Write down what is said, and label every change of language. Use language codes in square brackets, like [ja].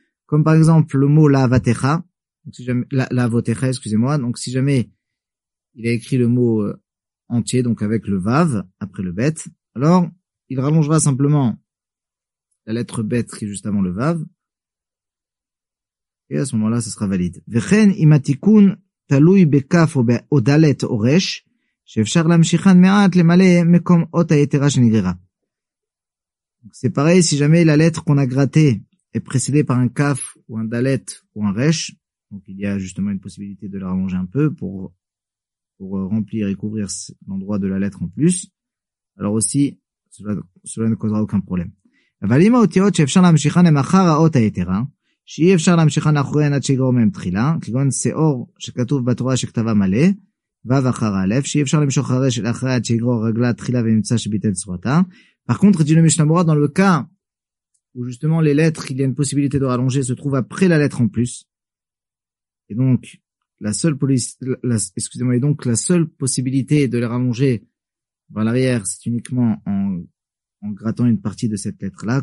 [fr] Comme par exemple le mot l'avotecha, l'avotecha, excusez-moi, donc si jamais il a écrit le mot entier, donc avec le vav, après le bet, alors il rallongera simplement la lettre bet qui est juste avant le vav, et à ce moment-là, ce sera valide. [he] וכן אם התיקון תלוי בקף או בדלת או רש, שאפשר להמשיכן מעט למלא מקום אות היתרה שנגררה. [fr] C'est pareil, si jamais la lettre qu'on a grattée est précédée par un kaf ou un dalet ou un resh, donc il y a justement une possibilité de la rallonger un peu pour remplir et couvrir l'endroit de la lettre en plus. Alors aussi, cela ne causera aucun problème. [he] אבל אם האותיות שאפשר להמשיכן הם אחר האות היתרה, שאי אפשר להמשיכן אחריהן עד שיגרור מהם תחילה, כגון שאור שכתוב בתורה שכתבה מלא, וו אחר א', שאי אפשר למשוך הרש אחריה עד שיגרור רגלה תחילה ונמצא שביטל צורתה. [fr] Par contre, dit le Mishnah Berurah, dans le cas où justement les lettres, il y a une possibilité de rallonger, se trouvent après la lettre en plus. Et donc, la seule possibilité de les rallonger vers l'arrière, c'est uniquement en grattant une partie de cette lettre-là.